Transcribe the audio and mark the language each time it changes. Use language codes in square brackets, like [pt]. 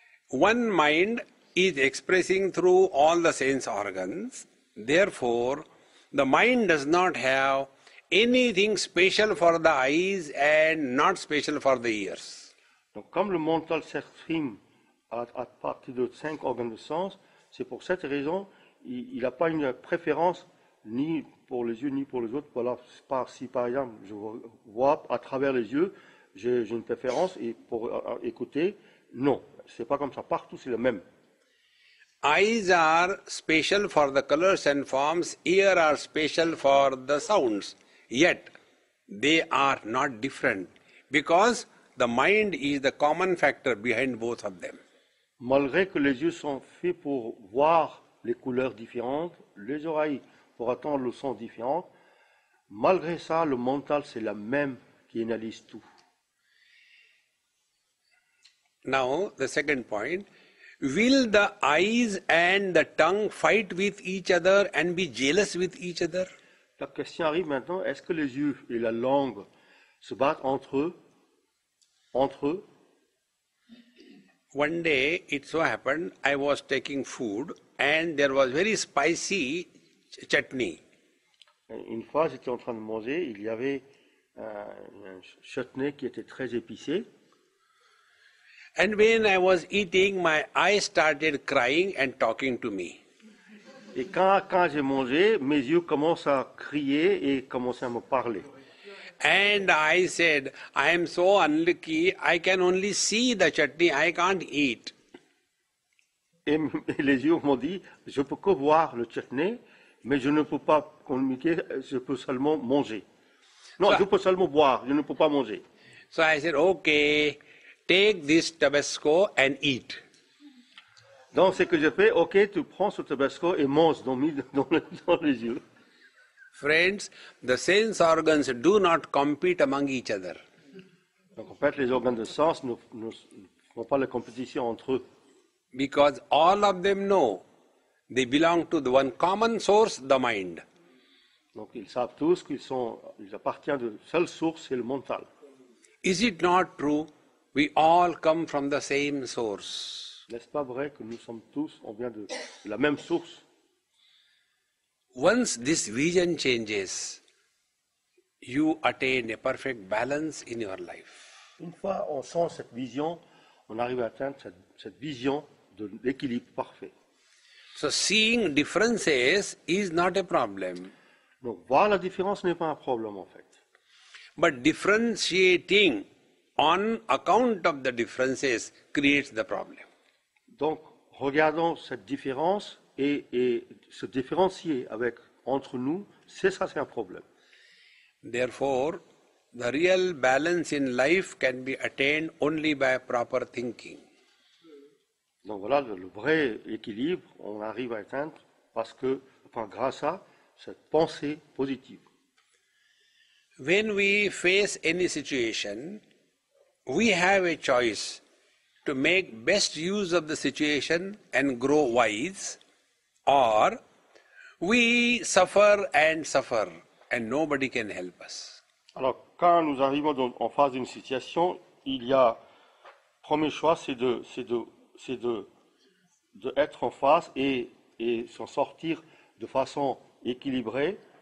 [en] One mind is expressing through all the sense organs. Therefore, the mind does not have anything special for the eyes and not special for the ears. [fr] Donc, comme le mental s'exprime à partir de cinq organes de sens, c'est pour cette raison il n'a pas une préférence ni pour les yeux ni pour les autres. Voilà, si par exemple je vois à travers les yeux, j'ai une préférence, et pour écouter, non, c'est pas comme ça. Partout, c'est le même. [en] Eyes are special for the colors and forms, ears are special for the sounds, yet they are not different because the mind is the common factor behind both of them. [fr] Malgré que les yeux sont faits pour voir les couleurs différentes, les oreilles pour entendre le son différent, malgré ça, le mental c'est la même qui analyse tout. [en] Now, the second point. Will the eyes and the tongue fight with each other and be jealous with each other? [fr] La question arrive maintenant, est-ce que les yeux et la langue se battent entre eux? [en] One day, it so happened, I was taking food and there was very spicy chutney. [fr] Une fois, j'étais en train de manger, il y avait un chutney qui était très épicé. [en] And when I was eating, my eyes started crying and talking to me. [fr] Et quand j'ai mangé, mes yeux commencent à crier et commencent à me parler. [en] And I said, I am so unlucky, I can only see the chutney, I can't eat. [fr] Et les yeux m'ont dit, je peux que voir le chutney, mais je ne peux pas communiquer, je peux seulement manger. Non, je peux seulement boire, je ne peux pas manger. [en] So I said, okay, take this Tabasco and eat. [fr] Donc ce que j'ai fait, ok, tu prends ce Tabasco et mange dans les yeux. [en] Friends, the sense organs do not compete among each other. [fr] Donc en fait, les organes de sens ne font pas la compétition entre eux. [en] Because all of them know they belong to the one common source, the mind. [fr] Donc ils savent tous qu'ils appartiennent à la seule source, c'est le mental. [en] Is it not true we all come from the same source? [fr] N'est-ce pas vrai que nous sommes tous, on vient de la même source? [en] Once this vision changes, you attain a perfect balance in your life. [fr] Une fois on sent cette vision, on arrive à atteindre cette vision de l'équilibre parfait. [en] So seeing differences is not a problem. [fr] Donc voir la différence n'est pas un problème en fait. [en] But differentiating on account of the differences creates the problem. [fr] Donc regardons cette différence. Et se différencier entre nous, c'est un problème. [en] Therefore, the real balance in life can be attained only by proper thinking. [fr] Donc voilà le vrai équilibre, on arrive à atteindre parce que, enfin, grâce à cette pensée positive. [en] When we face any situation, we have a choice to make best use of the situation and grow wise. Or we suffer, and nobody can help us. [fr] Alors, quand nous arrivons en face d'une situation, il y a premier choix, c'est de être en face et s'en sortir de façon équilibrée.